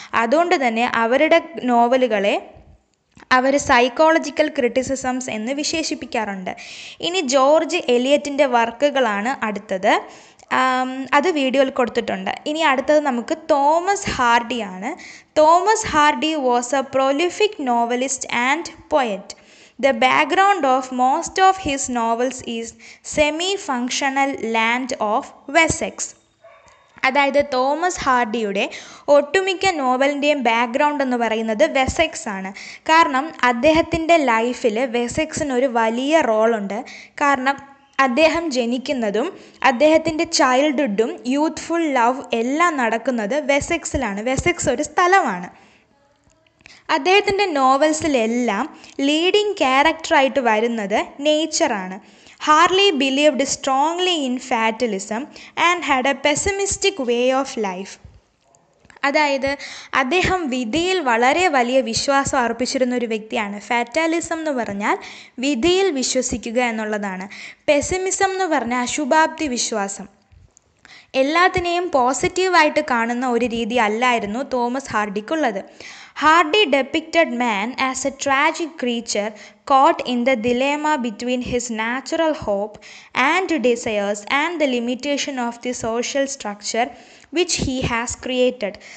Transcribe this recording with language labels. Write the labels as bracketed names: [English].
[Malayalam] അതുകൊണ്ട് തന്നെ അവരുടെ നോവലുകളെ അവർ സൈക്കോളജിക്കൽ ക്രിറ്റിസിസംസ് എന്ന് വിശേഷിപ്പിക്കാറുണ്ട്. ഇനി ജോർജ് എലിയറ്റിൻ്റെ വർക്കുകളാണ് അടുത്തത്. അത് വീഡിയോയിൽ കൊടുത്തിട്ടുണ്ട്. ഇനി അടുത്തത് നമുക്ക് Thomas ഹാർഡിയാണ്. Thomas hardy [English] Was a prolific novelist and poet. The background of most of his novels is semi-functional land of Wessex. [Malayalam] അതായത് തോമസ് ഹാർഡിയുടെ ഒട്ടുമിക്ക നോവലിൻ്റെയും ബാക്ക്ഗ്രൗണ്ട് എന്ന് പറയുന്നത് വെസെക്സ് ആണ്. കാരണം അദ്ദേഹത്തിൻ്റെ ലൈഫിൽ വെസെക്സിനൊരു വലിയ റോളുണ്ട്. കാരണം അദ്ദേഹം ജനിക്കുന്നതും അദ്ദേഹത്തിൻ്റെ ചൈൽഡ്ഹുഡും യൂത്ത്ഫുൾ ലവ് എല്ലാം നടക്കുന്നത് വെസെക്സിലാണ്. വെസെക്സ് ഒരു സ്ഥലമാണ്. അദ്ദേഹത്തിൻ്റെ നോവൽസിലെല്ലാം ലീഡിംഗ് ക്യാരക്ടറായിട്ട് വരുന്നത് നേച്ചറാണ്. [English] Hardy believed strongly in fatalism and had a pessimistic way of life. [Malayalam] അതായത് അദ്ദേഹം വിധിയിൽ വളരെ വലിയ വിശ്വാസം അർപ്പിച്ചിരുന്ന ഒരു വ്യക്തിയാണ്. ഫാറ്റാലിസം എന്ന് പറഞ്ഞാൽ വിധിയിൽ വിശ്വസിക്കുക എന്നുള്ളതാണ്. പെസിമിസം എന്ന് പറഞ്ഞാൽ അശുഭാപ്തി വിശ്വാസം, എല്ലാത്തിനെയും പോസിറ്റീവായിട്ട് കാണുന്ന ഒരു രീതി അല്ലായിരുന്നു Thomas ഹാർഡിക്കുള്ളത്. [English] Hardy depicted man as a tragic creature caught in the dilemma between his natural hope and desires and the limitation of the social structure which he has created.